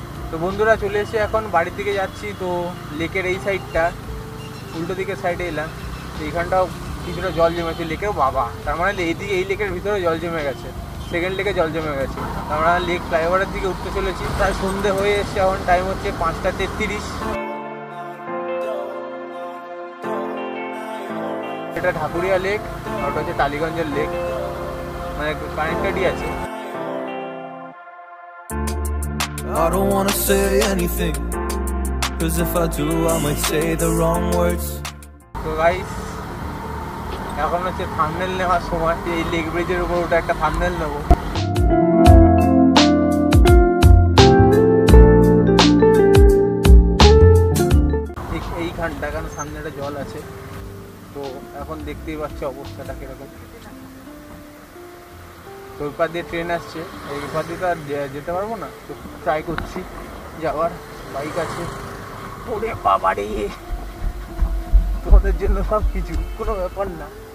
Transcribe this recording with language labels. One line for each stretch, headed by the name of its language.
Bangla: তো বন্ধুরা চলে এসে এখন বাড়ির দিকে যাচ্ছি, তো লেকের এই সাইডটা উল্টো দিকের সাইডে এলাম, তো এইখানটাও কিছুটা জল জমেছে লেকে, বাবা তার মানে এইদিকে এই লেকের ভিতরে জল জমে গেছে, সেকেন্ড লেকে জল জমে গেছে, আমরা লেক ফ্লাইওভারের দিকে উঠতে চলেছি, প্রায় সন্ধে হয়ে এসছে এখন, টাইম হচ্ছে 5:33, এটা ঢাকুরিয়া লেক, ওটা হচ্ছে টালিগঞ্জের লেক, মানে কানেক্টেডই আছে।
English: I don't want to say anything, because if I do, I might say the wrong words. So guys,
Bangla: এখন হচ্ছে থাম্বনেল নেওয়ার সময়, এই লেক ব্রিজের উপর ওটা একটা থাম্বনেল নেবো। এইখানটা কারণ সামনে একটা জল আছে, তো এখন দেখতেই পাচ্ছি অবস্থাটা কিরকম, তো ওই পাড় দিয়ে ট্রেন আসছে, এই পাড় দিয়ে তো আর যেতে পারবো না, তো ট্রাই করছি যাওয়ার, বাইক আছে পুরে বাবারে, তোমাদের জন্য সব কিছু কোনো ব্যাপার না।